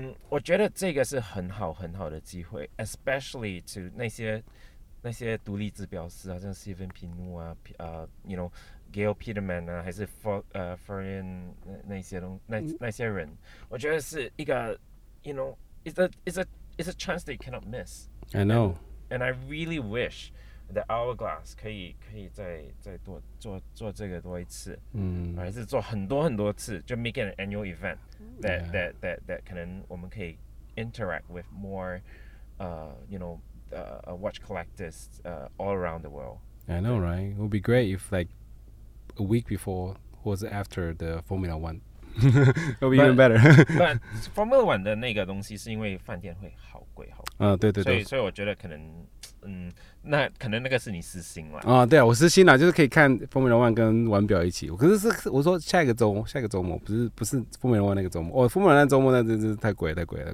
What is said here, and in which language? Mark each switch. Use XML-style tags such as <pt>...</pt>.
<zh>我觉得这个是很好很好的机会 ， especially to 那些独立制表师，好像 Steven Pinu 啊， you know Gail Peterman 啊，还是 Florian 那些人，我觉得是一个 you know。</zh> <en>It's a chance that you cannot miss. I know. And I really wish that Hourglass 可以再多做这个多一次，还是做很多很多次，就 make it an annual event that 可能我们可以 interact with more, you know, watch collectors all around the world. I know, right? It would be great if like a week before or after the Formula One. It'll be even better.</en> <zh>But Formula One 的那个东西是因为饭店会好贵好贵。对对对。所以我觉得可能那可能那个是你私心啦。哦，对啊，我私心啦，就是可以看 Formula One 跟腕表一起。可是是我说下一个周末，不是 Formula One 那个周末，哦 Formula One 周末那真是太贵了。</zh>